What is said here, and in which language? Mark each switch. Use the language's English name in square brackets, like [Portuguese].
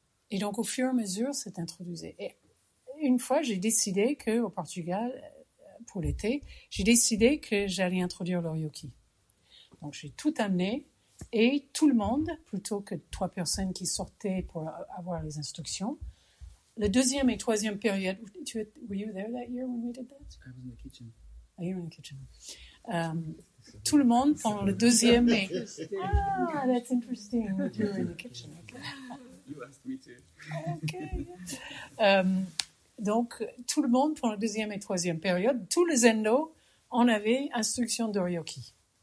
[French] Et donc, au fur et à mesure, c'est introduit. Et une fois, j'ai décidé qu'au Portugal, pour l'été, j'ai décidé que j'allais introduire l'Oryoki. Donc, j'ai tout amené. Et tout le monde, plutôt que trois personnes qui sortaient pour avoir les instructions, la deuxième et troisième période. [English] Were you there that year when we did that? I was in the kitchen. Oh, you were in the kitchen. [French] Tout le monde pendant le deuxième et. [English] Ah, that's interesting. You were in the kitchen. Okay. You asked me to. Okay. [French] Donc tout le monde pendant la deuxième et troisième période, tous les Zendo en avaient instructions d'Oryoki.